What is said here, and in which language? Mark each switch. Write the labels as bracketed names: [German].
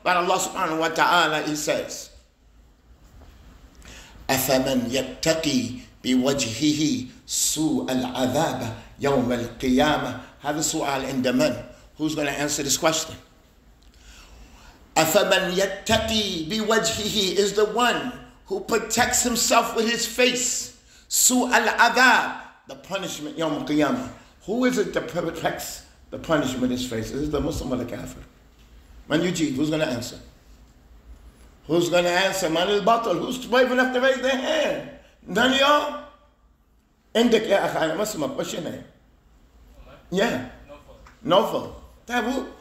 [English] But Allah subhanahu wa ta'ala, he says, [Arabic] أَفَمَنْ يَتَّقِي بِوَجْهِهِ سُوءَ الْعَذَابَ يَوْمَ الْقِيَامَةِ. هذا سؤال عند من. [English] Who's going to answer this question? [Arabic] أَفَمَنْ يَتَّقِي بِوَجْهِهِ [English] is the one who protects himself with his face. [Arabic] سُوءَ الْعَذَابَ, [English] the punishment, [Arabic] يَوْمَ الْقِيَامَةِ. [English] Who is it that protects the punishment in his face? Is it the Muslim or the Kafir? [Arabic] Man Yujib, [English] who's going to answer? Who's going to answer? [Arabic] Man al-Batal, [English] who's brave enough to raise their hand? None of y'all? [Arabic] Indik ya akhaya Muslim, [English] what's your name? Yeah. Nofal. Nofal.